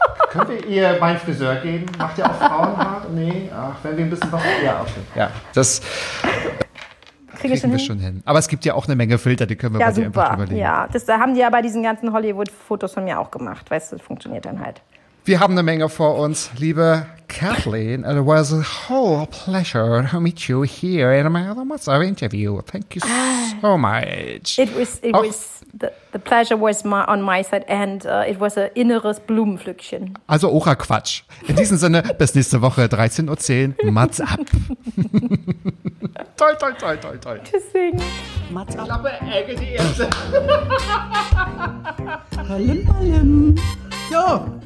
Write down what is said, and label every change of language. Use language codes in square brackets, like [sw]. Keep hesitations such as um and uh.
[de] Können wir ihr meinen Friseur geben? Macht ihr auch Frauenhaar? Nee, ach, wenn wir ein bisschen was. Ja, okay. Ja, das kriege ich schon wir hin. schon hin. Aber es gibt ja auch eine Menge Filter, die können wir Ja, bei dir einfach super. überlegen. Ja, das da haben die ja bei diesen ganzen Hollywood-Fotos von mir auch gemacht. Weißt du, das funktioniert dann halt. Wir haben eine Menge vor uns, liebe Kathleen. [en] It was a whole pleasure to meet you here in my other WhatsApp interview. Thank you so much. It was, it [de] Auch- [en] was the, the pleasure was my, on my side and uh, it was a [de] inneres Blumenpflückchen. Also Ora Quatsch. In diesem Sinne, bis nächste Woche, 13.10 Uhr. Mats ab. toll, toll, toll, toll, toll. Deswegen. Mats ab. Klappe, Ecke, die erste. Palim, palim. Jo.